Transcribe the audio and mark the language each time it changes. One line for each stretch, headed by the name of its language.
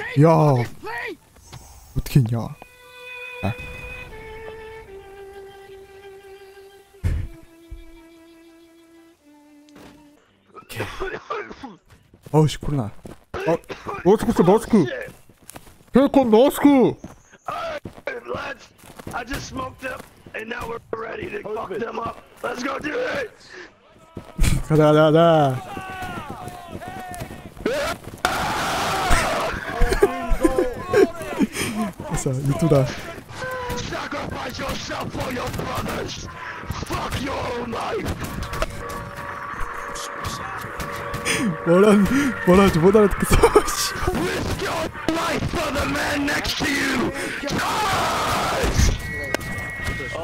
Korean: 야 어떻게 했냐 야. 어우씨 코로나 어 마스크 써 마스크 베이컨 마스크
English: Let's I just smoked up and now we're ready to fuck them up Let's go do it
Korean: 가자 가자 가자 됐어 유튜브다
English: Sacrifice yourself for your brothers Fuck your own life
Korean: 뭐라는지 못 알아듣겠어
English: Risk your life for the man next to you Charge!